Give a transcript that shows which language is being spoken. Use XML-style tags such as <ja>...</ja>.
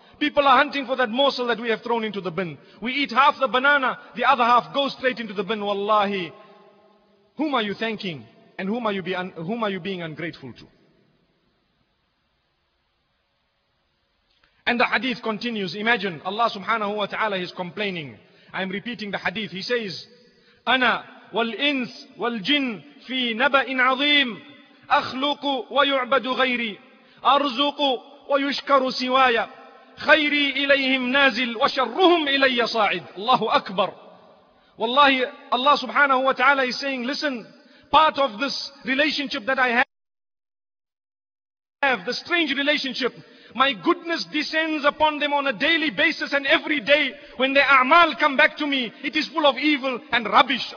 <en>People are hunting for that morsel that we have thrown into the bin. We eat half the banana, the other half goes straight into the bin. Wallahi, whom are you thanking and whom are you being ungrateful to? And the hadith continues. Imagine Allah subhanahu wa ta'ala is complaining. I'm repeating the hadith. He says,</en> <ar>أنا والإنس والجن في نبأ عظيم أخلق ويعبد غيري أرزق ويشكر سواي خيري إليهم نازل وشرهم إلي صاعد. الله أكبر.</ar> <en>Wallahi, Allah subhanahu wa ta'ala is saying, listen, part of this relationship that I have, the strange relationship, my goodness descends upon them on a daily basis, and every day when their a'mal come back to me, it is full of evil and rubbish.</en>